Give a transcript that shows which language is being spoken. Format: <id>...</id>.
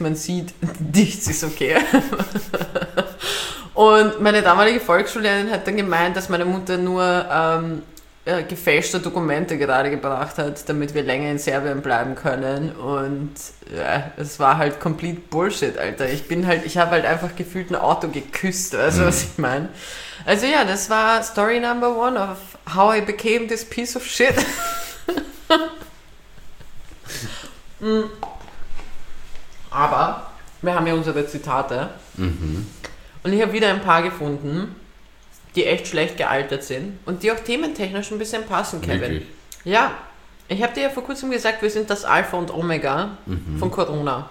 <de>Man sieht, nichts ist okay. Und meine damalige Volksschullehrerin hat dann gemeint, dass meine Mutter nur gefälschte Dokumente gerade gebracht hat, damit wir länger in Serbien bleiben können. Und ja, es war halt komplett Bullshit, Alter. Ich habe halt einfach gefühlt ein Auto geküsst, weißt du, was ich meine? Also ja, das war</de> <en>Story Number One of how I became this piece of shit.</en> <de>Aber wir haben ja unsere Zitate. Und ich habe wieder ein paar gefunden, die echt schlecht gealtert sind und die auch thementechnisch ein bisschen passen, Kevin. Wirklich? Ja, ich habe dir ja vor kurzem gesagt, wir sind das Alpha und Omega von Corona.</de>